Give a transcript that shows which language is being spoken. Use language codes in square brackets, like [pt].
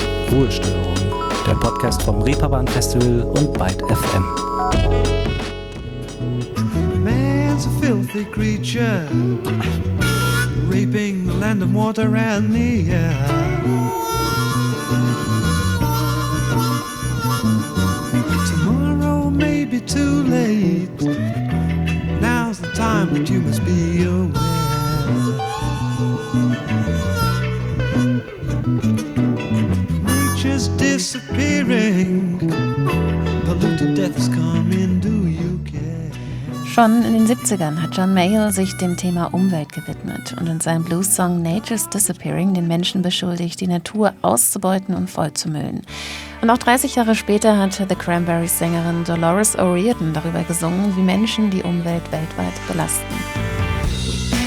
[de] Ruhestörung, der Podcast vom Reeperbahn Festival und Byte FM. [en] Man's a filthy creature, reaping the land of water and the air. Tomorrow may be too late, now's the time that you must be aware. Nature's disappearing, polluted death is coming, do you care? [de] Schon in den 70ern hat John Mayall sich dem Thema Umwelt gewidmet und in seinem Blues-Song Nature's Disappearing den Menschen beschuldigt, die Natur auszubeuten und vollzumüllen. Und auch 30 Jahre später hat The Cranberries-Sängerin Dolores O'Riordan darüber gesungen, wie Menschen die Umwelt weltweit belasten.